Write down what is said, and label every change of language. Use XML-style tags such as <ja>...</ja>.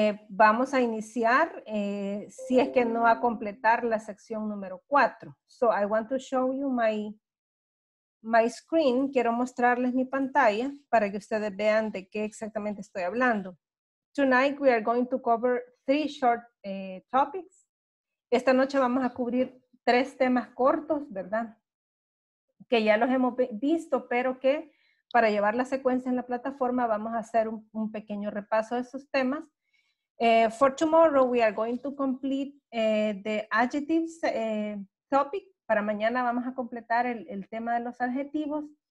<es>Vamos a iniciar si es que no va a completar la sección número 4.</es> <en>So I want to show you my screen.</en> <es>Quiero mostrarles mi pantalla para que ustedes vean de qué exactamente estoy hablando.</es> <en>Tonight we are going to cover 3 short topics.</en> <es>Esta noche vamos a cubrir 3 temas cortos, ¿verdad? Que ya los hemos visto, pero que para llevar la secuencia en la plataforma vamos a hacer un pequeño repaso de esos temas.</es> <en>For tomorrow, we are going to complete the adjectives topic.</en> <es>Para mañana vamos a completar el tema de los adjetivos.</es>